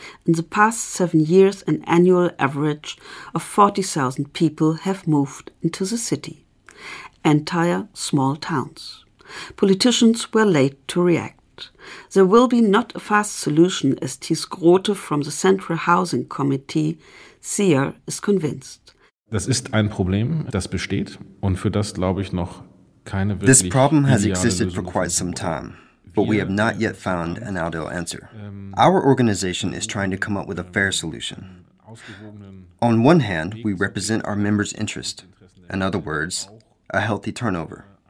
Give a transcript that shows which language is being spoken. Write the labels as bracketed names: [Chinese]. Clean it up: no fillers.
[English] In the past 7 years, an annual average of 40,000 people have moved into the city. Entire small towns. Politicians were late to react. There will be not a fast solution, as Thies Grote from the Central Housing Committee, CR, is convinced. [German] Das ist ein Problem, das besteht, und für das glaube ich noch. [English] This problem has existed for quite some time, but we have not yet found an ideal answer. Our organization is trying to come up with a fair solution. On one hand, we represent our members' interest, in other words, a healthy turnover.